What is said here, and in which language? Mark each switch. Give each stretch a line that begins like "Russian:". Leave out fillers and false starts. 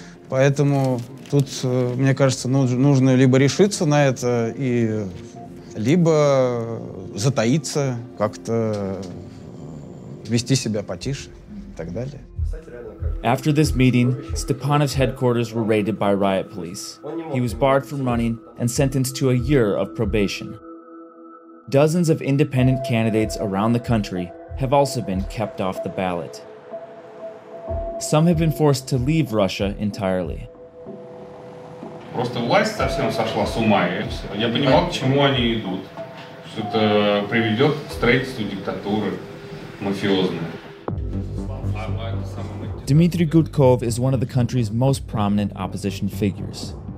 Russian: Поэтому тут, мне кажется, нужно либо решиться на это, и либо затаиться, как-то вести себя потише и так далее.
English: After this meeting, Stepanov's headquarters were raided by riot police. He was barred from running and sentenced to a year of probation. Dozens of independent candidates around the country have also been kept off the ballot. Some have been forced to leave Russia entirely.
Russian: Просто власть совсем сошла с ума. Я понимал, к чему они идут. Что это приведет к строительству диктатуры мафиозной.
English: Dmitry Gudkov is one of the country's most prominent opposition figures.